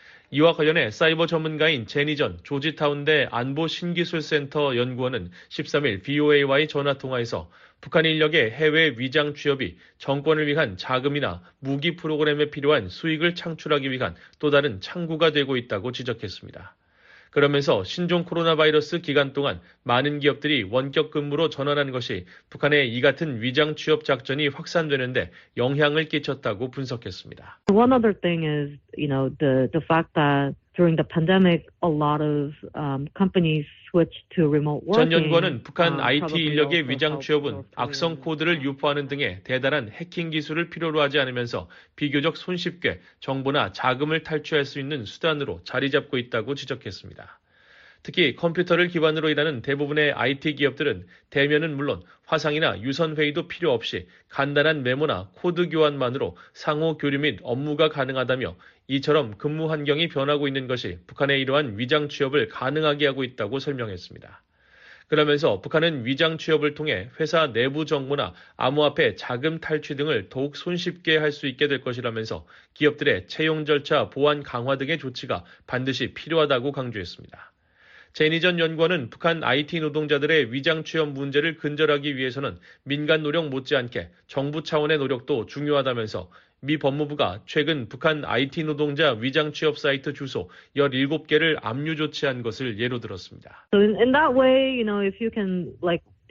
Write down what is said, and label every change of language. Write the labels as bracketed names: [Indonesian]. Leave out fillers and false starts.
[Korean] 이와 관련해 사이버 전문가인 제니 전 조지타운대 안보신기술센터 연구원은 13일 VOA와의 전화통화에서 북한 인력의 해외 위장 취업이 정권을 위한 자금이나 무기 프로그램에 필요한 수익을 창출하기 위한 또 다른 창구가 되고 있다고 지적했습니다. 그러면서 신종 코로나 바이러스 기간 동안 많은 기업들이 원격 근무로 전환한 것이 북한의 이 같은 위장 취업 작전이 확산되는 데 영향을 끼쳤다고 분석했습니다. [English] One other thing is, you know, the fact that during the pandemic a lot of companies switched to remote working. [Korean] 전 연구원은 북한 IT 인력의 위장 취업은 악성 코드를 유포하는 등의 대단한 해킹 기술을 필요로 하지 않으면서 비교적 손쉽게 정보나 자금을 탈취할 수 있는 수단으로 자리 잡고 있다고 지적했습니다. 특히 컴퓨터를 기반으로 일하는 대부분의 IT 기업들은 대면은 물론 화상이나 유선 회의도 필요 없이 간단한 메모나 코드 교환만으로 상호 교류 및 업무가 가능하다며 이처럼 근무 환경이 변하고 있는 것이 북한의 이러한 위장 취업을 가능하게 하고 있다고 설명했습니다. 그러면서 북한은 위장 취업을 통해 회사 내부 정보나 암호화폐 자금 탈취 등을 더욱 손쉽게 할 수 있게 될 것이라면서 기업들의 채용 절차 보안 강화 등의 조치가 반드시 필요하다고 강조했습니다. 제니 전 연구원은 북한 IT 노동자들의 위장 취업 문제를 근절하기 위해서는 민간 노력 못지않게 정부 차원의 노력도 중요하다면서 미 법무부가 최근 북한 IT 노동자 위장 취업 사이트 주소 17개를 압류 조치한 것을 예로 들었습니다. [English] So in that way, you know, if you can like